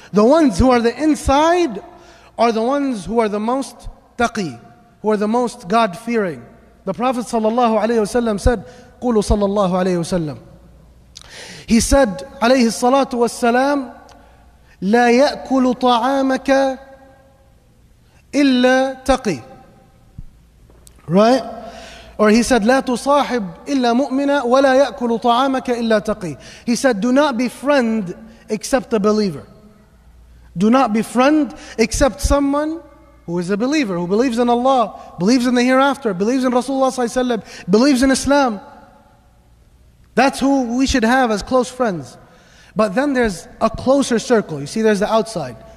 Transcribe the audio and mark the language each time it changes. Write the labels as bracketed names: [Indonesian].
[English] The ones who are the inside are the ones who are the most taqi, who are the most God-fearing. The Prophet sallallahu alayhi wasallam said, [Arabic] قُلُوا [English] sallallahu alayhi wasallam. He said, [Arabic] alayhi salatu wasalam, لَا يَأْكُلُ طَعَامَكَ إِلَّا تَقِي. [English] Right? Or he said, [Arabic] لَا تُصَاحِبْ إِلَّا مُؤْمِنَا وَلَا يَأْكُلُ طَعَامَكَ إِلَّا تَقِي. [English] He said, do not befriend except a believer. Do not befriend except someone who is a believer, who believes in Allah, believes in the hereafter, believes in Rasulullah sallallahu alayhi wa sallam, believes in Islam. That's who we should have as close friends. But then there's a closer circle. You see, there's the outside.